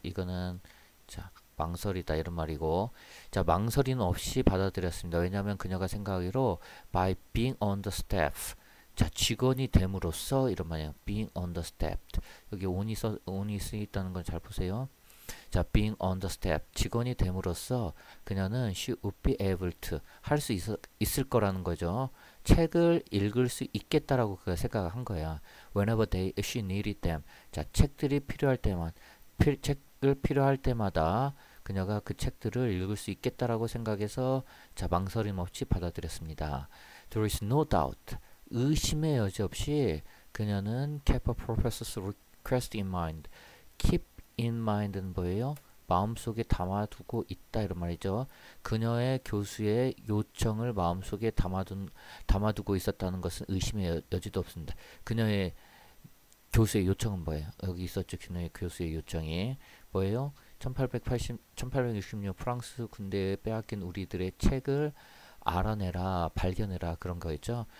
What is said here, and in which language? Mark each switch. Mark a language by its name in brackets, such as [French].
[Korean] 이거는, 자, 망설이다 이런 말이고, 자 망설임 없이 받아들였습니다. 왜냐하면 그녀가 생각하기로 [English] by being on the staff, [Korean] 자 직원이 됨으로써 이런 말이에요. [English] being on the staff, [Korean] 여기 on이 써 on이 쓰여 있다는 걸잘 보세요. 자 [English] being on the staff, [Korean] 직원이 됨으로써 그녀는 [English] she would be able to [Korean] 할수 있을 거라는 거죠. 책을 읽을 수 있겠다라고 그가 생각을 한 거야. [English] whenever they she needed them, [Korean] 자 책들이 필요할 때만 필책을 필요할 때마다 그녀가 그 책들을 읽을 수 있겠다라고 생각해서 자 망설임 없이 받아들였습니다. [English] There is no doubt. [Korean] 의심의 여지 없이 그녀는 [English] kept a professor's request in mind. Keep in mind [Korean] 는 뭐예요? 마음속에 담아두고 있다 이런 말이죠. 그녀의 교수의 요청을 마음속에 담아두고 있었다는 것은 의심의 여지도 없습니다. 그녀의 교수의 요청은 뭐예요? 여기 있었죠. 그녀의 교수의 요청이 뭐예요? 1880, 1866 프랑스 군대에 빼앗긴 우리들의 책을 알아내라, 발견해라 그런 거였죠.